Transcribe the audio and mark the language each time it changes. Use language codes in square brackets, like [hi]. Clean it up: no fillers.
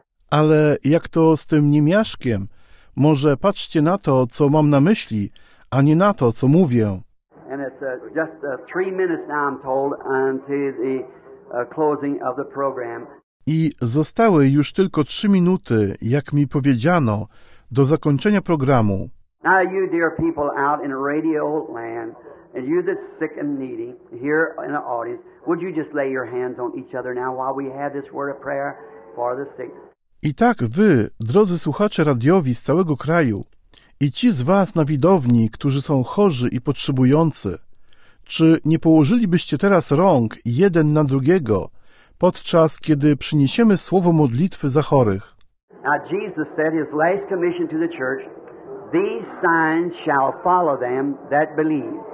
[pl] Ale jak to z tym niemiaszkiem? Może patrzcie na to, co mam na myśli, a nie na to, co mówię. [en] And it's just 3 minutes now I'm told until the closing of the program. [pl] I zostały już tylko 3 minuty, jak mi powiedziano, do zakończenia programu. [en] Now you dear people out in radio land, and you that's sick and needy here in the audience, would you just lay your hands on each other now while we have this word of prayer for the sick? [pl] I tak wy, drodzy słuchacze radiowi z całego kraju, i ci z was na widowni, którzy są chorzy i potrzebujący, czy nie położylibyście teraz rąk jeden na drugiego, podczas kiedy przyniesiemy słowo modlitwy za chorych? [en] Now Jesus said his last commission to the church, these signs shall follow them that believe.